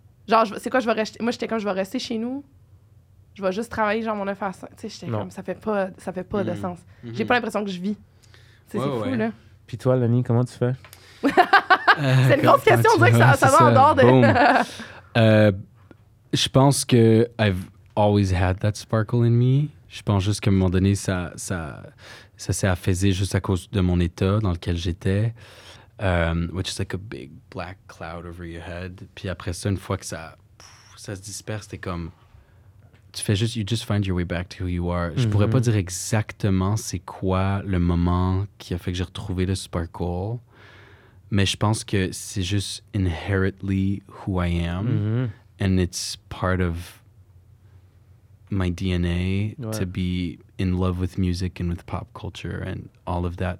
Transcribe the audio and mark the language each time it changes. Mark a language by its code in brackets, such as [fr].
[fr] Genre, c'est quoi, je vais rester. Moi, j'étais comme, je vais rester chez nous, je vais juste travailler, genre, mon 9 à 5. Tu sais, j'étais comme, ça fait pas de sens. J'ai pas l'impression que je vis. C'est fou, là. Puis toi, Lenny, comment tu fais? C'est une grosse question, on dirait que ça va en dehors de... Je pense que [en] I've always had that sparkle in me. [fr] Je pense juste qu'à un moment donné, ça s'est affaissé juste à cause de mon état dans lequel j'étais. [en] Which is like a big black cloud over your head. [fr] Puis après ça, une fois que ça se disperse, c'était comme... Tu fais juste... [en] You just find your way back to who you are. [fr] Je pourrais pas dire exactement c'est quoi le moment qui a fait que j'ai retrouvé le sparkle. Mais je pense que c'est juste [en] inherently who I am. [fr] Mm-hmm. [en] And it's part of my DNA to be in love with music and with pop culture and all of that.